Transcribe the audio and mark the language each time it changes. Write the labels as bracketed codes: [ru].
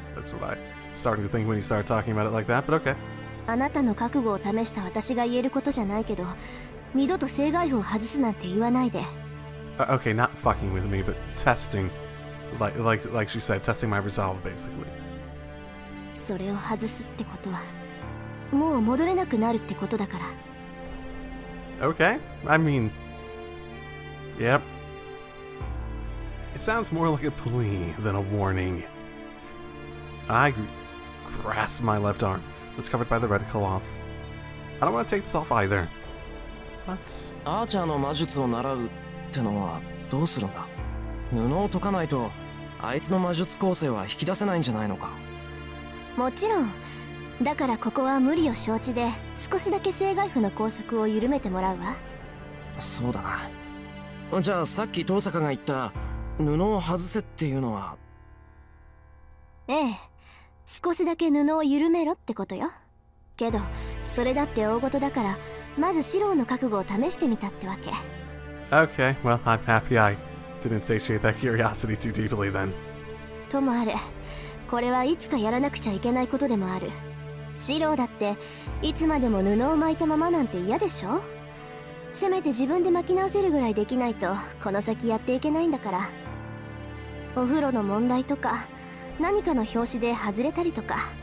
[en] That's what I started to think when you started talking about it like that, but okay. [ja] あなたの覚悟を試した私が言えることじゃないけど、二度と正外符を外すなんて言わないで。 [en] Okay, not fucking with me, but testing. Like she said, testing my resolve, basically. [ja] それを外すってことは、もう戻れなくなるってことだから。 [en] Okay, I mean... Yep, It sounds more like a plea than a warning. I grasp my left arm that's covered by the red cloth. I don't want to take this off either. What? [ja] Archer の魔術を習うってのはどうするんだ? 布を解かないとあいつの魔術構成は引き出せないんじゃないのか? もちろん。だからここは無理を承知で少しだけ聖外府の工作を緩めてもらうわ。そうだな。じゃあさっき遠坂が言った布を外せっていうのは。ええ。少しだけ布を緩めろってことよ。けど、それだって大事だから、まずシローの覚悟を試してみたってわけ。 [en] Okay, well, I'm happy I didn't satiate that curiosity too deeply then. [ja] ともあれ、これはいつかやらなくちゃいけないことでもある。シローだって、いつまでも布を巻いたままなんて嫌でしょ? せめて自分で巻き直せるぐらいできないと、この先やっていけないんだから。お風呂の問題とか、何かの拍子で外れたりとか。